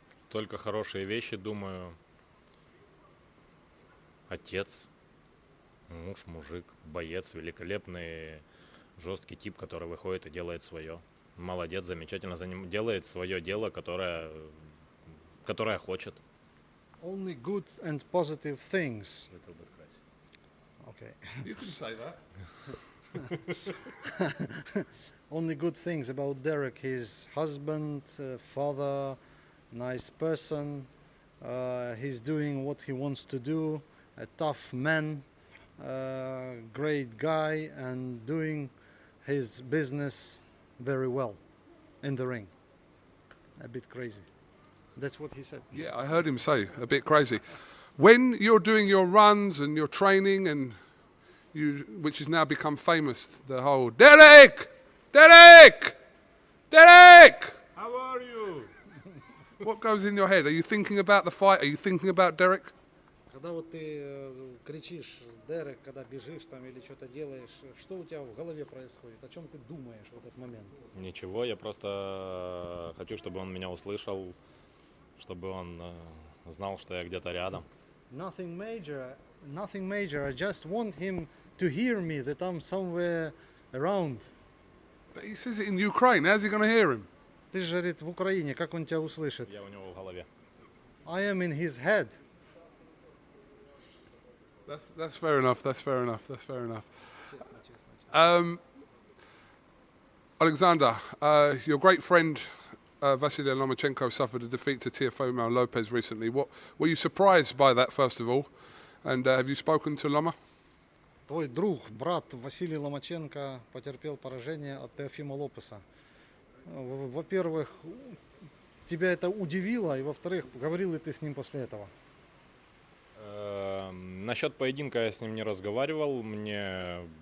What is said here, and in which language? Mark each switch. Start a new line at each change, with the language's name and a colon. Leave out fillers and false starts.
Russian: Только хорошие вещи думаю. Отец, муж, мужик, боец, великолепный, жесткий тип, который выходит и делает свое. Молодец, замечательно делает свое дело, которое хочет.
English: Only good and positive things. A little bit crazy. Okay. You can say that. Only good things about Derek: his husband, father, nice person. He's doing what he wants to do. A tough man, great guy, and doing his business very well in the ring. A bit crazy. That's what he said. Yeah, I heard him say a bit crazy. When you're doing your runs and your training, and you, which has now become famous, the whole Derek, Derek, Derek, how are you? What goes in your head? Are you thinking about the fight? Are you thinking about Derek?
Russian: Когда вот ты кричишь Дерек, когда бежишь там или что-то делаешь, что у тебя в голове происходит? О чем ты думаешь в этот момент? Ничего, я просто хочу, чтобы он меня услышал, чтобы он знал, что я где-то рядом.
English: Nothing major, nothing major. I just want him to hear me that I'm somewhere around. But he says it in Ukraine. How's he gonna hear him?
Russian: Ты же говорит в Украине. Как он тебя услышит? Я у него в голове.
English: I am in his head. That's fair enough. That's fair enough. That's fair enough. Alexander, your great friend Vasily Lomachenko suffered a defeat to Teofimo Lopez recently. What were you surprised by that, first of all? And have you spoken to Loma?
Russian: Твой друг, брат Василий Ломаченко потерпел поражение от Теофимо Лопеса. Во-первых, тебя это удивило, и во-вторых, говорил ли ты с ним после этого? Насчет поединка я с ним не разговаривал. Мне